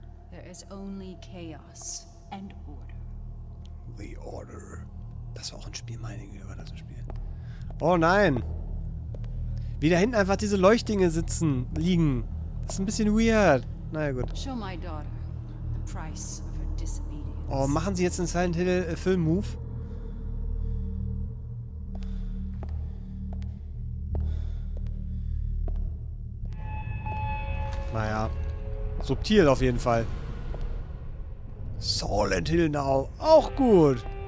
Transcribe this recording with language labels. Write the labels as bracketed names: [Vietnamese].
[English] There is only chaos and order. The order. [German] Das war auch ein Spiel, meine Güte, war das ein Spiel. Oh nein! Wie da hinten einfach diese Leuchtdinge sitzen, liegen. Das ist ein bisschen weird. Naja, gut. [English] Show my daughter the price of her disobedience. [German] Oh, machen sie jetzt einen Silent Hill Film-Move? Naja. Subtil auf jeden Fall. Silent Hill now. Auch gut.